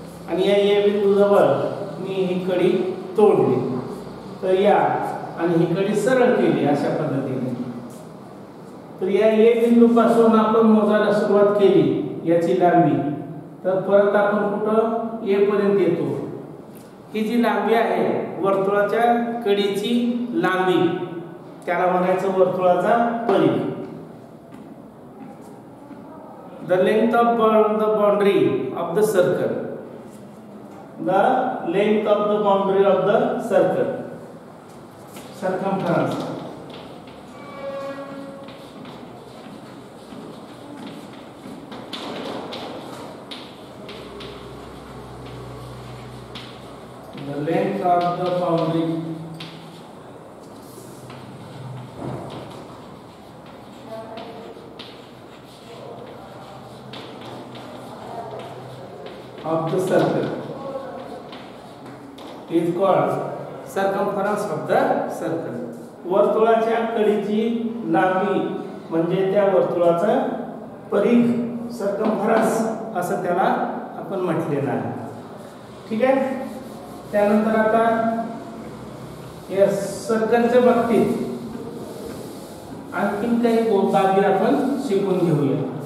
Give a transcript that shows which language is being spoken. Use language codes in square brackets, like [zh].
[mr] आणि या ए बिंदूजवळ मी ही कडी तोडली तर या आणि ही कडी सरळ केली अशा पद्धतीने तर या ए बिंदूपासून आपण मोजायला सुरुवात केली याची लांबी तर परत आपण कुठं ए पर्यंत येतो ही जी लांबी आहे वर्तुळाच्या कडीची लांबी त्याला म्हणायचं वर्तुळाचा परिघ [en] The length of the boundary of the circle. The length of the boundary of the circle. Circumference. The length of the boundary. Of the circle is called circumference of the circle. [mr] वर्तुळाच्या कडीची लांबी म्हणजे त्या वर्तुळाचा परिघ circumference असं त्याला आपण म्हटलेलं आहे. ठीक आहे. त्यानंतर आता या सर्कलच्या बाबतीत आणखी काही बाबी आपण शिकून घेऊया.